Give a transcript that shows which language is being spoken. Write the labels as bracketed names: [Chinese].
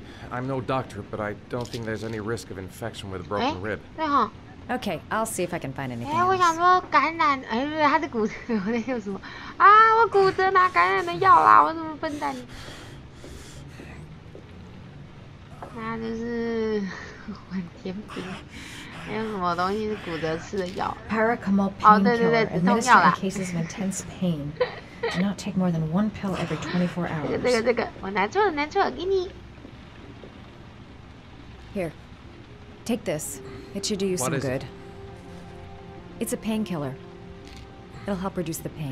[English] I'm no doctor, but I don't think there's any risk of infection with a broken rib. [Chinese] 对哈。 [English] Okay, I'll see if I can find anything. [Chinese] 我想说感染，他的骨折，我在说什么啊？我骨折拿感染的药啦，我怎么笨蛋？那就是碗甜饼，还有什么东西是骨折吃的药 [English] ？Paracetamol painkiller. Administer in cases of intense pain. Do not take more than one pill every 24 hours. [Chinese] 这个，我拿错了，给你。 [English] Here, take this. It should do you some good. It's a painkiller. It'll help reduce the pain.